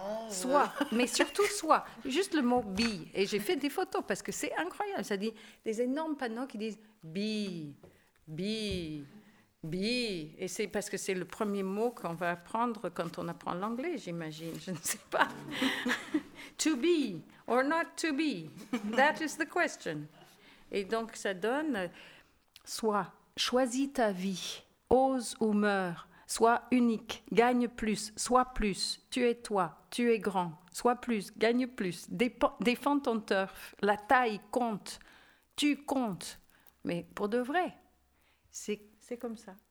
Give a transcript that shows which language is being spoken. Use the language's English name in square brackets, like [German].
[French] Soit, mais surtout soit, juste le mot bille. Et j'ai fait des photos parce que c'est incroyable. Ça dit des énormes panneaux qui disent bille, bille, bille. Et c'est parce que c'est le premier mot qu'on va apprendre quand on apprend l'anglais, j'imagine. Je ne sais pas. [English] To be or not to be, that is the question. [French] Et donc ça donne soit choisis ta vie, ose ou meurs. Sois unique, gagne plus, sois plus, tu es toi, tu es grand, sois plus, gagne plus, défends ton turf, la taille compte, tu comptes, mais pour de vrai, c'est comme ça,